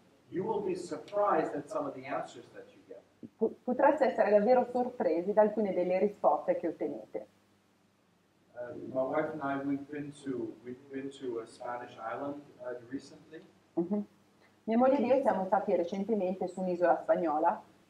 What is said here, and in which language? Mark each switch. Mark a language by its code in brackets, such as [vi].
[en] You will be surprised at some of the answers that you get. [it] Potreste essere davvero sorpresi da alcune delle risposte che ottenete. [en] My wife and I, we've been to a Spanish island recently. [it] Mia moglie e io siamo stati recentemente su un'isola spagnola.